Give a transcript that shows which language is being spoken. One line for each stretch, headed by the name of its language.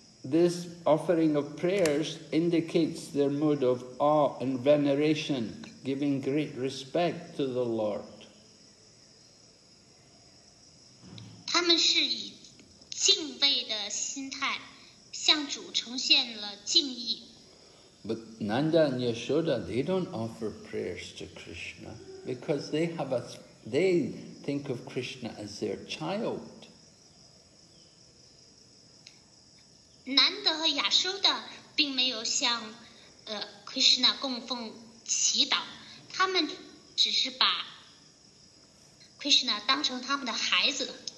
English: This offering of prayers indicates their mood of awe and veneration, giving great respect to the Lord.
Chinese: 他们是以敬畏的心态向主呈现了敬意。
English: But Nanda and Yashoda, they don't offer prayers to Krishna because they think of Krishna as their child.
Chinese: Nanda 和 Yashoda 并没有向Krishna 供奉祈祷，他们只是把 Krishna 当成他们的孩子。